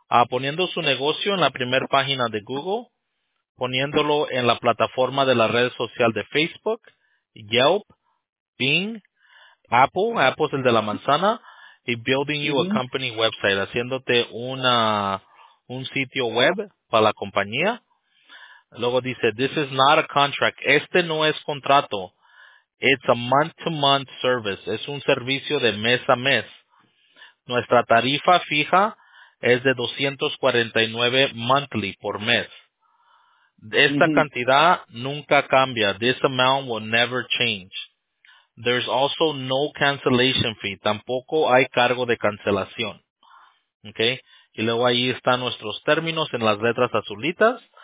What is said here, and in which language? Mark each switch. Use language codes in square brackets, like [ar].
[es] Poniendo su negocio en la primera página de Google, poniéndolo en la plataforma de la red social de Facebook, Yelp, Bing, Apple es el de la manzana, y [en] building you a company website, [es] haciéndote un sitio web para la compañía. Luego dice, [en] this is not a contract. [es] Este no es contrato. [en] It's a month-to-month service. [es] Es un servicio de mes a mes. Nuestra tarifa fija es de $249 monthly por mes. Esta cantidad nunca cambia. [en] This amount will never change. There's also no cancellation fee. [es] Tampoco hay cargo de cancelación. Okay. Y luego ahí están nuestros términos en las letras azulitas.